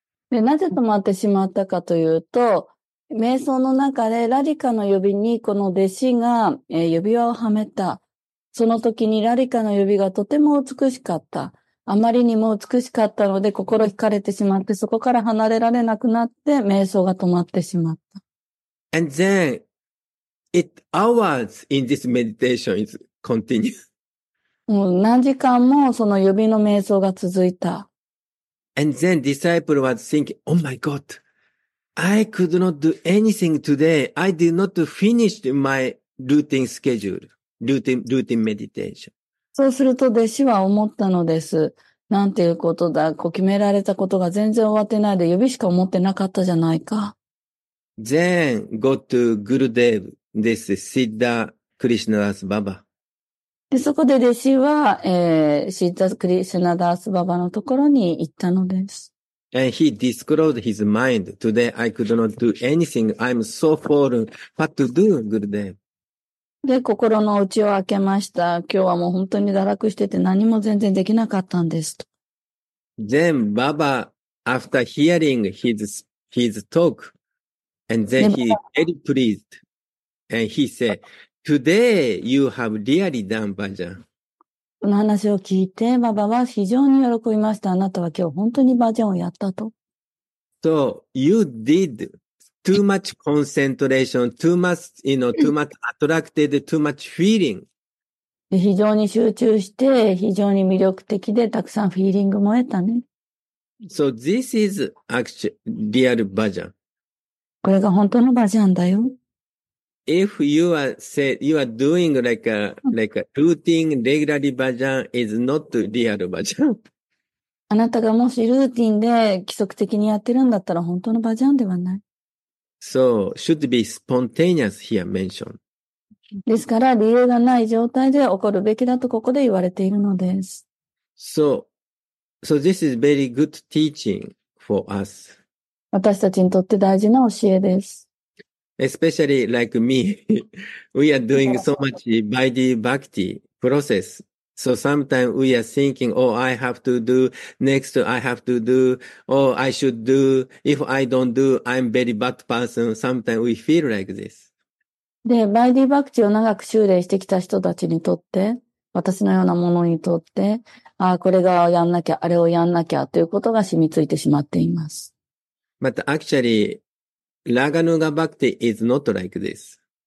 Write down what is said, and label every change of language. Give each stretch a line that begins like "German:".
Japanese: で、なぜ止まってしまったかというと、瞑想の中でラディカの指にこの弟子が指輪をはめた。その時にラディカの指がとても美しかった。あまりにも美しかったので心惹かれてしまって、そこから離れられなくなって瞑想が止まってしまった。
English: And then, it hours in this meditation is continued.
Japanese: 何時間もその指の瞑想が続いた。
English: And then disciple was thinking, oh my god, I could not do anything today. I did not finish my routine schedule, routine meditation.
Japanese: そうすると弟子は思ったのです。なんていうことだ。こう決められたことが全然終わってないで、指しか思ってなかったじゃないか。
English: Then go to Gurudev, this Siddha Krishnadas Baba.
Japanese: で、そこで弟子は、Siddha Krishnadas Baba のところに行ったのです。
English: And he disclosed his mind. Today I could not do anything. I'm so fallen. What to do, Gurudev?
Japanese: で、心の内を開けました。今日はもう本当に堕落してて何も全然できなかったんですと。
English: Then Baba, after hearing his talk, and then he very pleased. And he said, today you have really done bhajan.
Japanese: この話を聞いて、ババは非常に喜びました。あなたは今日本当にバージョンをやったと。
English: So, you did too much concentration, too much, you know, too much attracted, too much feeling.
Japanese: 非常に集中して、非常に魅力的で、たくさんフィーリングも得たね。
English: So, this is actually real バージョン。
Japanese: これが本当のバージョンだよ。
English: If you are say you are doing like a routine regularly bhajan is not real bhajan.
Japanese: あなたがもしルーティンで規則的にやってるんだったら本当のバジャンではない。
English: So should be spontaneous here mentioned.
Japanese: ですから理由がない状態で起こるべきだとここで言われているのです。
English: So this is very good teaching for us.
Japanese: 私たちにとって大事な教えです。
English: Especially like me, we are doing so much Vaidhi Bhakti process. So sometimes we are thinking, oh, I have to do next, I have to do, oh, I should do. If I don't do, I'm very bad person. Sometimes we feel like this.
Japanese: で、Vaidhi Bhakti を長く修練してきた人たちにとって、私のようなものにとって、ああ、これがやんなきゃ、あれをやんなきゃということが染みついてしまっています。
English: But actually,ラガヌガバクティ is not like this.